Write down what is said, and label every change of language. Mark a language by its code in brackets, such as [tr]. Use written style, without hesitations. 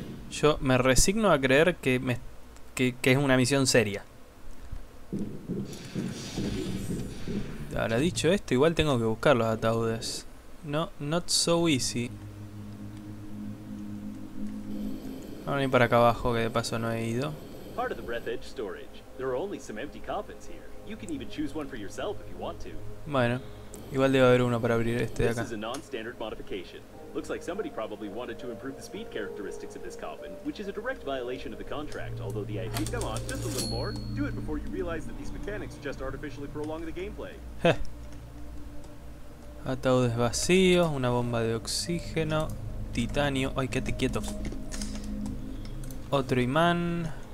[es] Yo me resigno a creer que es una misión seria. Ahora dicho esto, igual tengo que buscar los ataúdes. No, [en] not so easy. [es] Ahora ni para acá abajo, que de paso no he ido. [en] Part of the Breath Edge storage. There are only some empty coffins here. You can even choose one for yourself if you want to. [es] Bueno, igual debe haber uno para abrir este de [en] This is a non-standard modification. Looks like somebody probably wanted to improve the speed characteristics of this coffin, which is a direct violation of the contract, although the idea... Come on, just a little more. Do it before you realize that these mechanics are just artificially prolonging the gameplay. [es] Ataúdes vacíos, una bomba de oxígeno, titanio... Ay, quédate quieto. Otro imán...